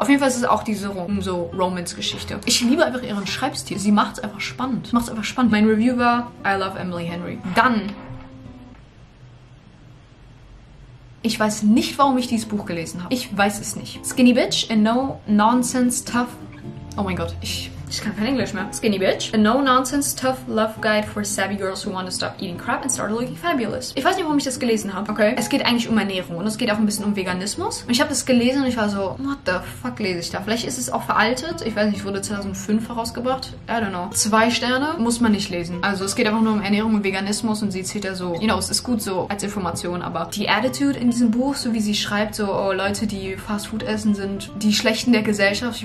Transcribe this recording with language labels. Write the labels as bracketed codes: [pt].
[de] Auf jeden Fall ist es auch diese so Romance-Geschichte. Ich liebe einfach ihren Schreibstil. Sie macht es einfach spannend. Mein Review war [en] I love Emily Henry. [de] Dann... Ich weiß nicht, warum ich dieses Buch gelesen habe. Ich weiß es nicht. [en] Skinny Bitch, a no-nonsense, tough... [de] Oh mein Gott, ich kann kein Englisch mehr. [en] Skinny Bitch, a no-nonsense, tough love guide for savvy girls who want to stop eating crap and start looking fabulous. [de] Ich weiß nicht, warum ich das gelesen habe. Okay. Es geht eigentlich um Ernährung und es geht auch ein bisschen um Veganismus. Und ich habe das gelesen und ich war so, [en] what the fuck [de] lese ich da? Vielleicht ist es auch veraltet. Ich weiß nicht, wurde 2005 herausgebracht. [en] I don't know. [de] 2 Sterne muss man nicht lesen. Also es geht einfach nur um Ernährung und Veganismus und sie zählt da so, you know, es ist gut so als Information, aber die Attitude in diesem Buch, so wie sie schreibt, so, oh, Leute, die Fast Food essen, sind die Schlechten der Gesellschaft.